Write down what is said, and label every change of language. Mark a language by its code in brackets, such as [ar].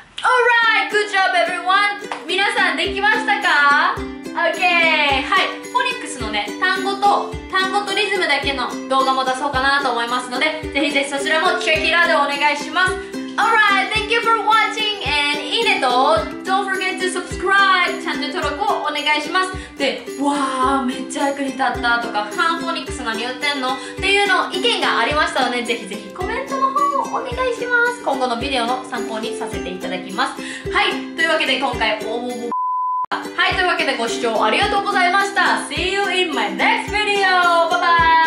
[en] Alright, good job everyone! [ja] 皆さんできましたか ?OK! はい、フォニックスのね、単語とリズムだけの動画も出そうかなと思いますので、ぜひぜひそちらもチェックイラーでお願いします。 [en] Alright, thank you for watching! And [ja] いいねと、 [en] Don't forget to subscribe! [ja] チャンネル登録をお願いします。で、わー、めっちゃ役に立ったとか、ファンフォニックス何言ってんのっていうの、意見がありましたらね、ぜひぜひコメントの方もお願いします。今後のビデオの参考にさせていただきます。はい、というわけで今回、はい、というわけでご視聴ありがとうございました。 [en] See you in my next video! Bye bye!